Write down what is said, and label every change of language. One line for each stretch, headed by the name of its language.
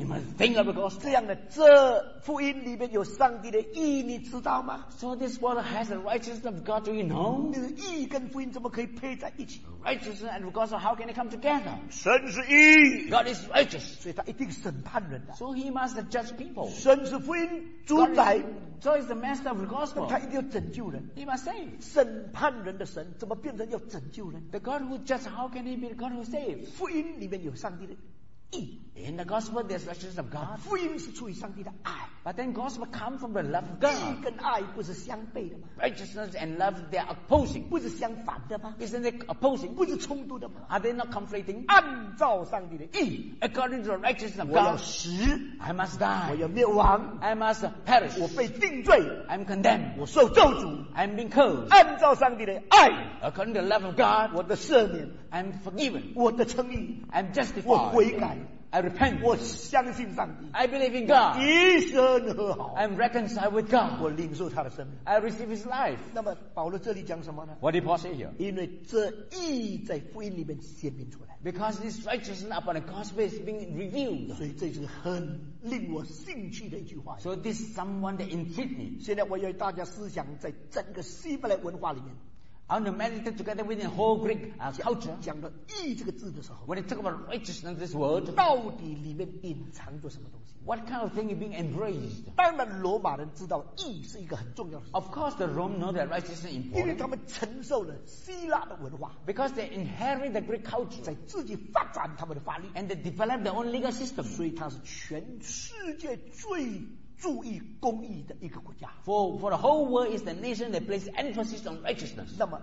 English: you must think of the gospel.
Chinese: 这样的, 这福音里面有上帝的义, 你知道吗?
English: So this word has the righteousness of God, do you know?
Chinese: 你的义跟福音怎么可以配在一起?
English: Righteousness and the gospel, how can it come together?
Chinese: 神是义,
English: God is righteous,
Chinese: 所以他一定审判人的,
English: so he must judge people.
Chinese: 神是福音, 主宰,
English: so he's the master of the gospel.
Chinese: 他一定要拯救人,
English: he must save.
Chinese: 审判人的神, 怎么变成要拯救人?
English: The God who judges, how can he be the God who saves?
Chinese: 福音里面有上帝的义,
English: in the gospel there's righteousness of God.
Chinese: 福音是出于上帝的爱,
English: but then gospel comes from the love of God.
Chinese: 义跟爱不是相悖的吗?
English: Righteousness and love, they're opposing.
Chinese: 不是相反的吗?
English: Isn't it opposing?
Chinese: 不是冲突的吗?
English: Are they not conflicting?
Chinese: 按照上帝的义,
English: according to the righteousness of
Chinese: 我要死,
English: God,
Chinese: 我要死,
English: I must die,
Chinese: 我要灭亡,
English: I must perish,
Chinese: 我被定罪,
English: I'm condemned,
Chinese: 我受咒诅,
English: I'm being cursed.
Chinese: 按照上帝的爱,
English: according to the love of God,
Chinese: 我的赦免,
English: I'm forgiven,
Chinese: 我的称义,
English: I'm justified,
Chinese: 我悔改,
English: I repent,
Chinese: 我相信上帝,
English: I believe in God,
Chinese: 我一生和好,
English: I'm reconciled with God,
Chinese: 我领受他的生命,
English: I receive his life.
Chinese: 那么保罗这里讲什么呢?
English: What did Paul say here?
Chinese: 因为这义在福音里面显明出来,
English: because this righteousness upon the gospel is being revealed.
Chinese: 所以这是很令我兴趣的一句话,
English: so this is someone that intrigued me.
Chinese: 现在我要大家思想在整个希伯来文化里面,
English: I want to meditate together with the whole Greek culture.
Chinese: 讲到义这个字的时候,
English: when you talk about righteousness, this word,
Chinese: 到底里面隐藏着什么东西?
English: What kind of thing is being embraced?
Chinese: 当然罗马人知道义是一个很重要的,
English: of course the Rome know that righteousness is important,
Chinese: 因为他们承受了希腊的文化,
English: because they inherit the Greek culture,
Chinese: 在自己发展他们的法律,
English: and they develop their own legal system.
Chinese: 所以它是全世界最 注意公义的一个国家,
English: for the whole world is the nation that places emphasis on righteousness.